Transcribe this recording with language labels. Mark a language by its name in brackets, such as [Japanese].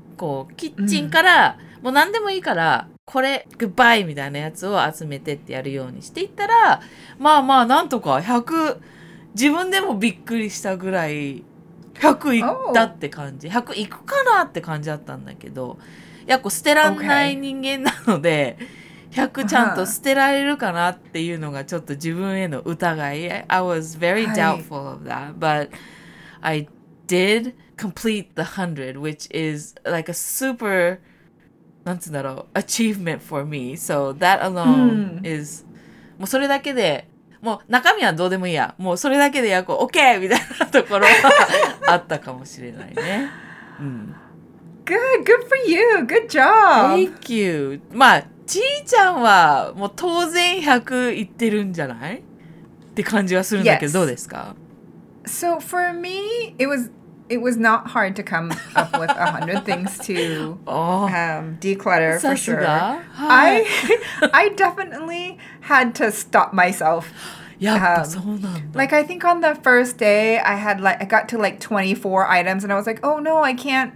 [Japanese] こう、キッチンから、もう何でもいいから、これ、グッバイみたいなやつを集めてってやるようにしていったら、まあまあ、なんとか100、自分でもびっくりしたぐらい、 100いったって感じ、100いくかなって感じだったんだけど、やっこ捨てらんない人間なので、100ちゃんと捨てられるかなっていうのがちょっと自分への疑い。 [English] I was very doubtful of that, but I did complete the 100, which is like a super, [Japanese] なんつうんだろう、 [English] achievement for me. So that alone is, [Japanese] もうそれだけで、もう中身はどうでもいいや。もうそれだけでやっこ OK! みたいなところはあったかもしれないね。 [English] Good, good for you. Good job. Thank you. [Japanese] まあ、ちいちゃんはもう当然100いってるんじゃない？って感じはするんだけど、どうですか？ [English] So for me, it was not hard to come up with 100 things to declutter for sure. I definitely had to stop myself. [Japanese] Yeah, そうなんだ。 [English] Like I think on the first day, I got to like 24 items, and I was like, oh no, I can't.